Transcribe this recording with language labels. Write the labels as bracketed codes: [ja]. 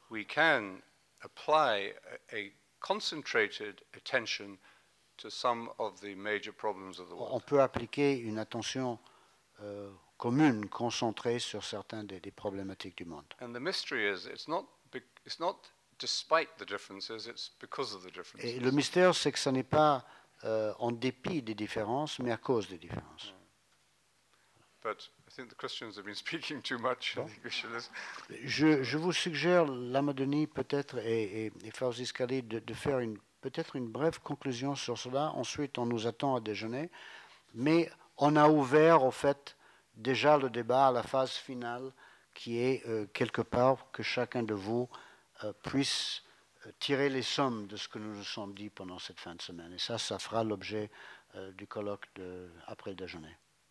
[en] we can apply a concentrated attention to some of the major problems of the world. [fr] On peut appliquer une attention commune, concentrée sur certains des problématiques du monde. [en] And the mystery is, it's not despite the differences, it's because of the differences. [fr] Et le mystère, c'est que ce n'est pas en dépit des différences, mais à cause des différences. [en] But I think the Christians have been speaking too much. [fr] Je vous suggère, Lama Denis, peut-être, et Francis Kali, de faire peut-être une brève conclusion sur cela. Ensuite, on nous attend à déjeuner. Mais on a ouvert, au fait, déjà le débat à la phase finale, qui est quelque part que chacun de vous puisse tirer les sommes de ce que nous nous sommes dit pendant cette fin de semaine. Et ça fera l'objet du colloque après le déjeuner.